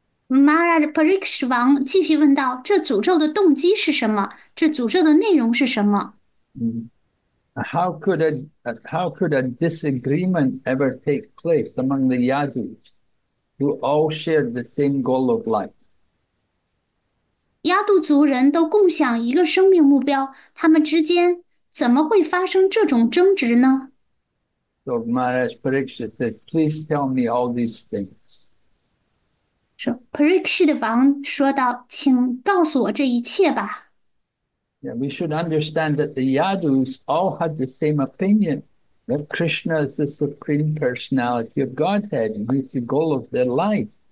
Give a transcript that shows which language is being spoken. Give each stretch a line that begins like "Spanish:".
Chinese: Maharaj Pariksh 王继续问道：“这诅咒的动机是什么？这诅咒的内容是什么？”
English: How could a disagreement ever take place among the Yadus who all shared the same goal of life?
Chinese: 亚度族人都共享一个生命目标，他们之间怎么会发生这种争执呢？
English: So Maharaj Pariksit said, please tell me all these things.
Chinese: So, Parikshit 王说道：“请告诉我这一切吧。”
English: Yeah, we should understand that the Yadus all had the same opinion that Krishna is the Supreme Personality of Godhead and he's the goal of their life.